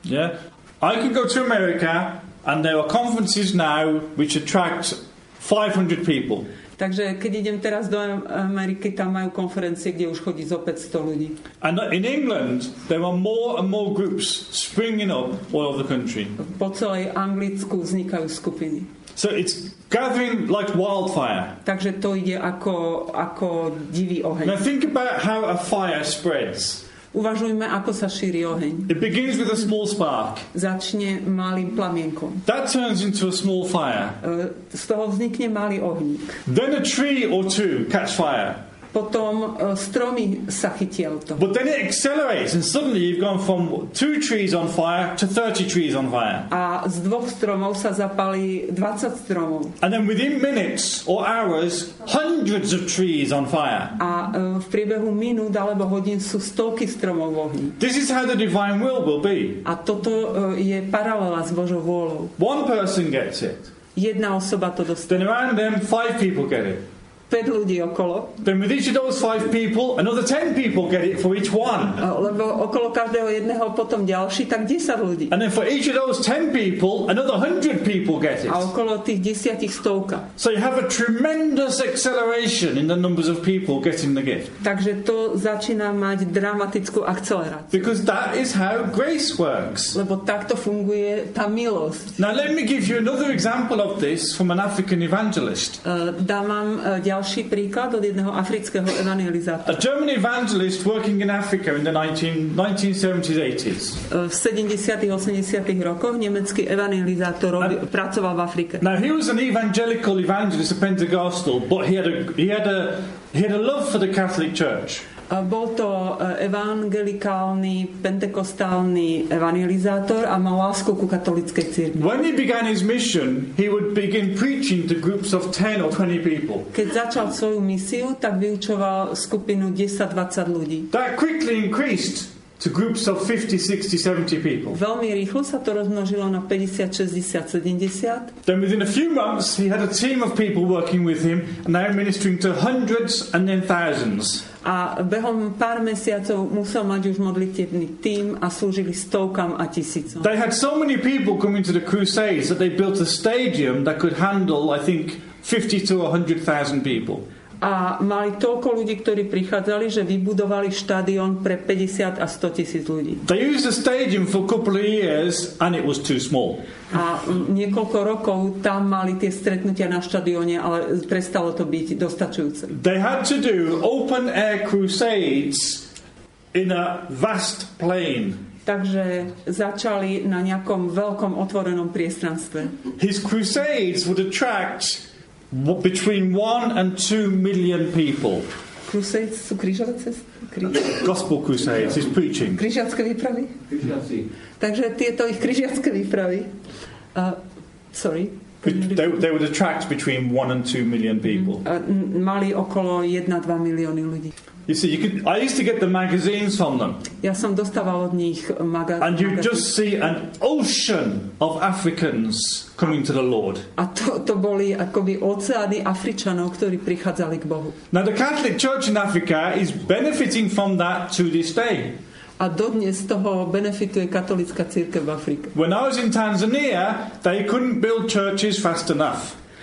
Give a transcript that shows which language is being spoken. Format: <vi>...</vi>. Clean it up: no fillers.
<en>Yeah. I can go to America and there are conferences now which attract 500 people.</en> <sk>Takže keď idem teraz do Ameriky, tam majú konferencie, kde už chodí zo 500 ľudí.</sk> <en>And in England there are more and more groups springing up all over the country.</en> <sk>Po celej Anglicku vznikajú skupiny.</sk> <en>So it's gathering like wildfire.</en> <sk>Takže to ide ako divý oheň.</sk> <en>Now think about how a fire spreads.</en> <sk>Uvažujme, ako sa šíri oheň.</sk> <en>It begins with a small spark.</en> <sk>Začne malým plamienkom.</sk> <en>That turns into a small fire.</en> <sk>Z toho vznikne malý ohník.</sk> <en>Then a tree or two catch fire.</en> <sk>Potom stromy sa chytiel to.</sk> <en>But then it accelerates and suddenly you've gone from 2 trees on fire to 30 trees on fire.</en> <sk>A z dvoch stromov sa zapálí 20 stromov.</sk> <en>And then within minutes or hours, hundreds of trees on fire.</en> <sk>A v priebehu minút alebo hodín sú stovky stromov v ohni.</sk> <en>This is how the divine will be.</en> <sk>A toto je paralela s Božou vôľou.</sk> <en>One person gets it.</en> <sk>Jedna osoba to dostane.</sk> <en>Then around them, 5 people get it.</en> <sk>5 ľudí okolo.</sk> <en>Then with each of those 5 people, another 10 people get it for each one.</en> <sk>Lebo okolo každého jedného potom ďalší, tak 10 ľudí.</sk> <en>And then for each of those 10 people, another 100 people get it.</en> <sk>A okolo tých 10 stovka.</sk> <en>So you have a tremendous acceleration in the numbers of people getting the gift.</en> <sk>Takže to začína mať dramatickú akceleráciu.</sk> <en>Because that is how grace works.</en> <sk>Lebo takto funguje tá milosť.</sk> <en>Now let me give you another example of this from an African evangelist.</en> <sk>Dám vám ďalší príklad od jedného afrického evangelizátora.</sk> <en>A German evangelist working in Africa in the 1970s.</en> <sk>V 70. 80. rokoch nemecký evangelizátor pracoval v Afrike.</sk> <en>Now he was an evangelical evangelist, a Pentecostal, but he had a love for the Catholic Church.</en> <sk>Bol to evangelikálny, pentekostálny evangelizátor a mal lásku ku katolíckej cirkvi.</sk> <en>When he began his mission, he would begin preaching to groups of 10 or 20 people.</en> <sk>Keď začal svoju misiu, tak vyučoval skupinu 10-20 ľudí.</sk> <en>That quickly increased to groups of 50, 60, 70 people.</en> <sk>Veľmi rýchlo sa to rozmnožilo na 50, 60, 70.</sk> <en>Then within a few months, he had a team of people working with him, and they were ministering to hundreds and then thousands.</en> <sk>A behom pár mesiacov musel mať už modlitevný tým a slúžili stovkam a tisícom.</sk> <en>They had so many people coming to the Crusades that they built a stadium that could handle, I think, 50 to 100,000 people.</en> <sk>A mali toľko ľudí, ktorí prichádzali, že vybudovali štadión pre 50 a 100 tisíc ľudí.</sk> <en>They used the stadium for a couple of years and it was too small.</en> <sk>A niekoľko rokov tam mali tie stretnutia na štadióne, ale prestalo to byť dostačujúce.</sk> <en>They had to do open air crusades in a vast plain.</en> <sk>Takže začali na nejakom veľkom otvorenom priestranstve.</sk> <en>His crusades would attract between 1 and 2 million people.</en> <sk>Crusades sú križovacie?</sk> <en>Gospel crusades, he's preaching.</en> <sk>Križiacké výpravy? Križiaci. Takže tieto ich križiacké výpravy. Sorry.</sk> <en>They would attract between 1 and 2 million people.</en> <sk>Mali okolo 1-2 milióny ľudí.</sk> <en>You see, I used to get the magazines from them.</en> <sk>Ja som dostával od nich magazín.</sk> <en>And you just see an ocean of Africans coming to the Lord.</en> <sk>A to boli akoby oceány Afričanov, ktorí prichádzali k Bohu.</sk> <en>Now the Catholic Church in Africa is benefiting from that to this day.</en> <sk>A dodnes toho benefituje katolická cirkev v Afrike.</sk> <en>When I was in Tanzania, they couldn't build churches fast enough.</en>